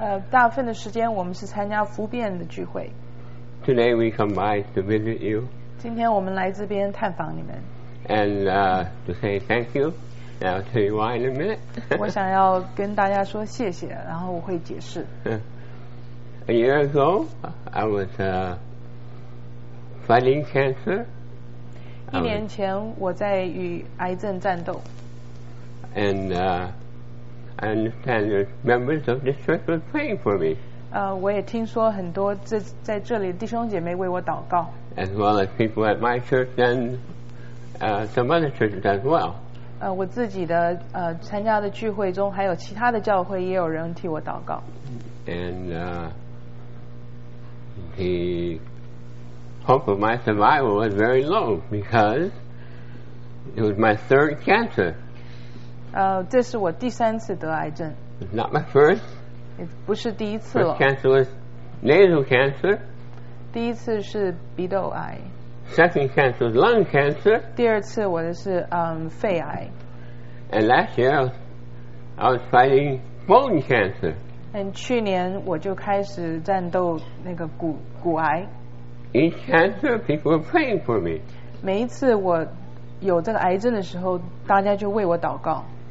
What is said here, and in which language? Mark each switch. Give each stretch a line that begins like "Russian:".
Chinese: 大部分的时间我们是参加福变的聚会。
English: Today we come by to visit you.
Chinese: 今天我们来这边探访你们。
English: And to say thank you, and I'll tell you why in a minute.
Chinese: 我想要跟大家说谢谢，然后我会解释。
English: A year ago, I was fighting cancer.
Chinese: 一年前，我在与癌症战斗。
English: And I understand that members of this church were praying for me.
Chinese: 我也听说很多在这里的弟兄姐妹为我祷告。
English: As well as people at my church and some other churches as well.
Chinese: 我自己的参加的聚会中，还有其他的教会也有人替我祷告。
English: And the hope of my survival was very low because it was my third cancer.
Chinese: 这是我第三次得癌症。
English: Not my first.
Chinese: 也不是第一次了。
English: First cancer was nasal cancer.
Chinese: 第一次是鼻窦癌。
English: Second cancer is lung cancer.
Chinese: 第二次我的是肺癌。
English: And last year, I was fighting bone cancer.
Chinese: And 去年我就开始战斗那个骨癌。
English: Each cancer, people were praying for me.
Chinese: 每一次我有这个癌症的时候，大家就为我祷告。